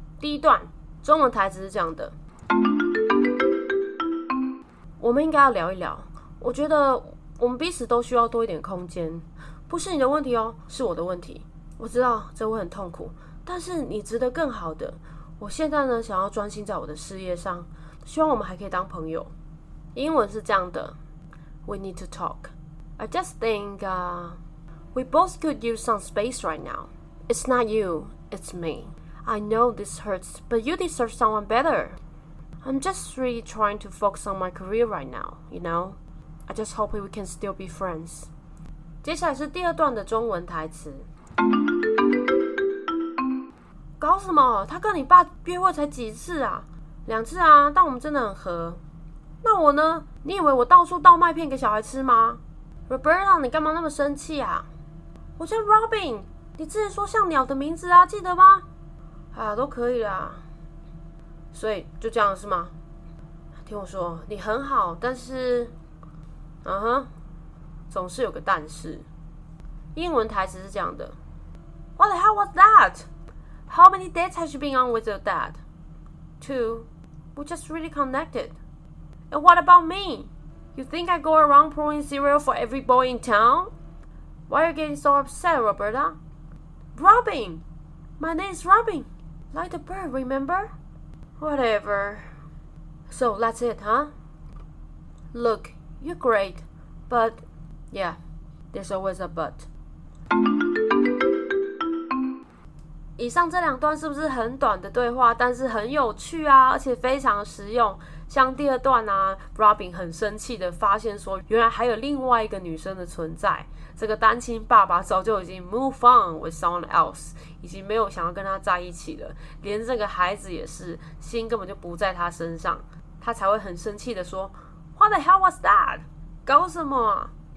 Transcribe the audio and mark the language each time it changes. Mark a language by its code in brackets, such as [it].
[zh] 第一段中文台词是这样的，我们应该要聊一聊，我觉得我们彼此都需要多一点空间，不是你的问题哦，是我的问题，我知道这会很痛苦，但是你值得更好的，我现在呢想要专心在我的事业上，希望我们还可以当朋友。英文是这样的， [en] We need to talk. I just think we both could use some space right now. It's not you, it's me. I know this hurts, but you deserve someone better. I'm just really trying to focus on my career right now, you know? I just hope we can still be friends. [zh] 接下来是第二段的中文台词。搞什么？他跟你爸约会才几次啊？两次啊，但我们真的很合。那我呢？你以为我到处倒麦片给小孩吃吗？ Roberta, 你干嘛那么生气啊？我叫 Robin, 你之前说像鸟的名字啊，记得吗？啊，都可以啦。所以就这样是吗？听我说，你很好，但是，嗯哼，总是有个但是。英文台词是这样的 ： [en] What the hell was that? How many dates has she been on with your dad? Two. We just really connected. And what about me? You think I go around pouring cereal for every boy in town? Why are you getting so upset, Roberta? Robin, my name is Robin, like the bird, remember? Whatever. So that's it, huh? Look, you're great, but yeah, there's always a but. [zh] 以上这两段是不是很短的对话，但是很有趣啊，而且非常实用。像第二段啊， Robin 很生气的发现说，原来还有另外一个女生的存在。这个单亲爸爸早就已经 [en] move on with someone else， [zh] 已经没有想要跟他在一起了，连这个孩子也是，心根本就不在他身上，他才会很生气的说 ， [en] What the hell was that？ [zh] 搞什么啊？